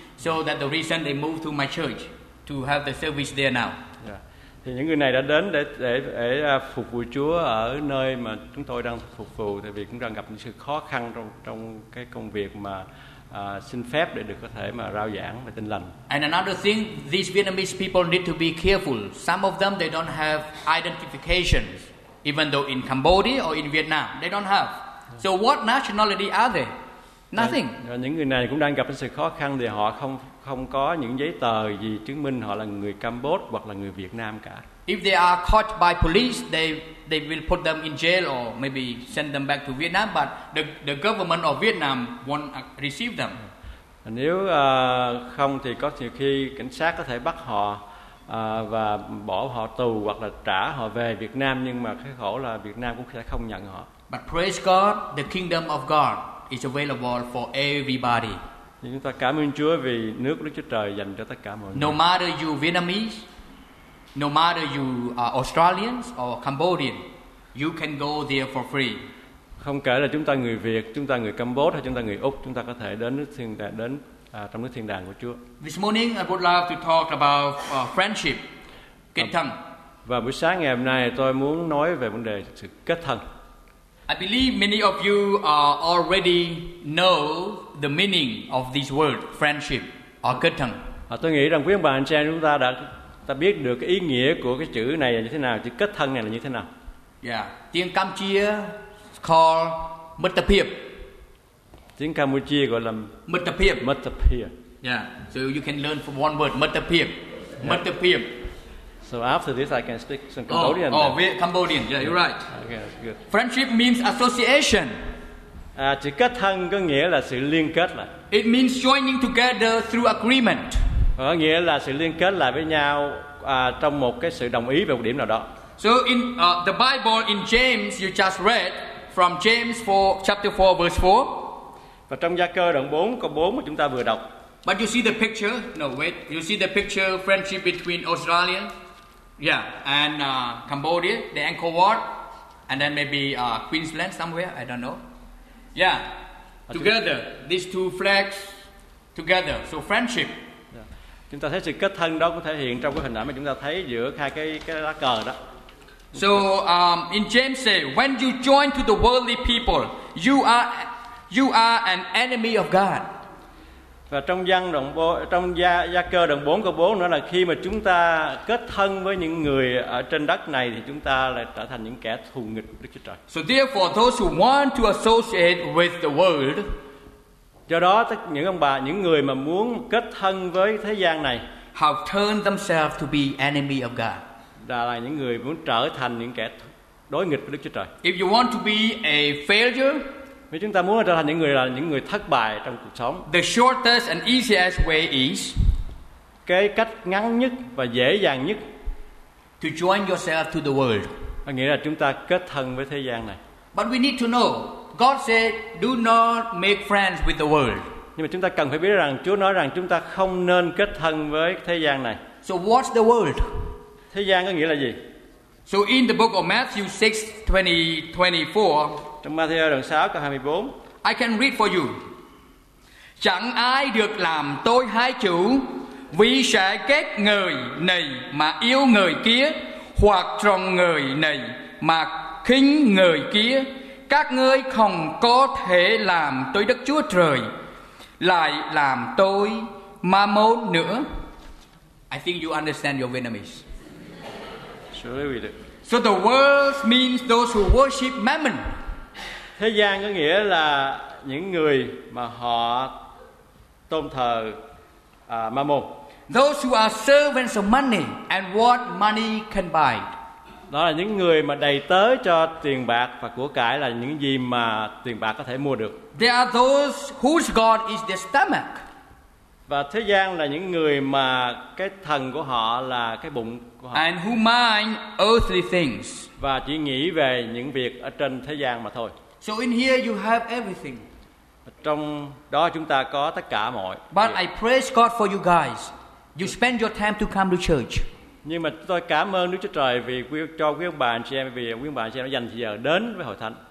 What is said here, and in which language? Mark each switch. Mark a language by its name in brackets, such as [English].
[English] So that the reason they moved to my church to have the service there now. [Vietnamese] Thì những người này đã đến để phục vụ Chúa ở nơi mà chúng tôi đang phục vụ, tại vì cũng đang gặp những sự khó khăn trong cái công việc mà xin phép để được có thể mà rao giảng về tin lành. [English] And another thing, these Vietnamese people need to be careful. Some of them they don't have identification, even though in Cambodia or in Vietnam they don't have. So what nationality are they? Nothing. [Vietnamese] Và những người này cũng đang gặp những sự khó khăn thì họ không có những giấy tờ gì chứng minh họ là người Cambodia hoặc là người Việt Nam cả. [English] If they are caught by police, they will put them in jail or maybe send them back to Vietnam, but the government of Vietnam won't receive them. [Vietnamese] Nếu không thì có nhiều khi cảnh sát có thể bắt họ và bỏ họ tù hoặc là trả họ về Việt Nam, nhưng mà cái khổ là Việt Nam cũng sẽ không nhận họ. [English] But praise God, the kingdom of God is available for everybody. [Vietnamese] Chúng ta cảm ơn Chúa vì nước của Đức Chúa Trời dành cho tất cả mọi người. [English] No matter you Vietnamese, no matter you Australians or Cambodian, you can go there for free. [Vietnamese] Không kể là chúng ta người Việt, chúng ta người Cambodia hay chúng ta người Úc, chúng ta có thể đến nước thiên đàng, đến trong nước thiên đàng của Chúa. [English] This morning I would love to talk about friendship, kết thân. [Vietnamese] Và buổi sáng ngày hôm nay tôi muốn nói về vấn đề sự kết thân. [English] I believe many of you already know the meaning of this word, friendship or kết thân. [Vietnamese] Tôi nghĩ rằng quý ông bà anh chị em chúng ta biết được cái ý nghĩa của cái chữ này là như thế nào, chữ kết thân này là như thế nào. [English] Yeah, [Vietnamese] tiếng Campuchia [English] called mật thập hiệp. [Vietnamese] Tiếng Campuchia gọi là [Khmer] mật thập hiệp. Mật thập hiệp. [English] Yeah, so you can learn from one word, mật thập hiệp. [Khmer] Mật thập hiệp. [English] So after this, I can speak some Cambodian. Oh, Cambodian. Yeah, you're right. Okay, good. Friendship means association. [Vietnamese] Chữ kết thân có nghĩa là sự liên kết lại. [English] It means joining together through agreement. [Vietnamese] Có nghĩa là sự liên kết lại với nhau trong một cái sự đồng ý về một điểm nào đó. [English] So in the Bible, in James, you just read from James 4, chapter 4, verse 4. [Vietnamese] Và trong Gia Cơ đoạn 4, câu 4 mà chúng ta vừa đọc. [English] But you see the picture? No, wait. You see the picture, friendship between Australia, yeah, and Cambodia, the Angkor Wat, and then maybe Queensland somewhere, I don't know. Yeah, together, these two flags together, so friendship. [Vietnamese] Chúng ta thấy sự kết thân đó cũng thể hiện trong cái hình ảnh mà chúng ta thấy giữa hai cái lá cờ đó. [English] So, in James say, when you join to the worldly people, you are an enemy of God. [Vietnamese] Và trong văn đoạn 4, trong gia cơ đoạn 4 câu 4 nữa là khi mà chúng ta kết thân với những người ở trên đất này thì chúng ta lại trở thành những kẻ thù nghịch Đức Chúa Trời. [English] So therefore those who want to associate with the world, [Vietnamese] do đó những ông bà, những người mà muốn kết thân với thế gian này, [English] have turned themselves to be enemy of God. [Vietnamese] Đó là những người muốn trở thành những kẻ đối nghịch với Đức Chúa Trời. [English] If you want to be a failure, [Vietnamese] nếu chúng ta muốn trở thành những người thất bại trong cuộc sống, [English] the shortest and easiest way is, [Vietnamese] cái cách ngắn nhất và dễ dàng nhất, [English] to join yourself to the world. [Vietnamese] Có nghĩa là chúng ta kết thân với thế gian này. [English] But we need to know, God said, do not make friends with the world. [Vietnamese] Nhưng mà chúng ta cần phải biết rằng Chúa nói rằng chúng ta không nên kết thân với thế gian này. [English] So what's the world? [Vietnamese] Thế gian có nghĩa là gì? [English] So in the book of Matthew 6:24. [Vietnamese] Matthew đoạn 6 câu 24. [English] I can read for you. [Vietnamese] Chẳng ai được làm tôi hai chủ, vì sẽ ghét người này mà yêu người kia, hoặc trọng người này mà khinh người kia. Các ngươi không có thể làm tôi Đức Chúa Trời, lại làm tôi ma môn nữa. [English] I think you understand your Vietnamese. Sure, we do. So the world means those who worship mammon. [Vietnamese] Thế gian có nghĩa là những người mà họ tôn thờ ma môn. [English] Those who are servants of money and what money can buy. [Vietnamese] Đó là những người mà đầy tớ cho tiền bạc và của cải là những gì mà tiền bạc có thể mua được. [English] There are those whose god is their stomach. [Vietnamese] Và thế gian là những người mà cái thần của họ là cái bụng của họ. [English] And who mind earthly things. [Vietnamese] Và chỉ nghĩ về những việc ở trên thế gian mà thôi. [English] So in here you have everything. [Vietnamese] Trong đó chúng ta có tất cả mọi. [English] But I praise God for you guys. You spend your time to come to church. [Vietnamese] Nhưng mà tôi cảm ơn Đức Chúa Trời vì cho quý ông bà anh chị em, vì quý ông bà anh chị em đã dành thời giờ đến với hội thánh.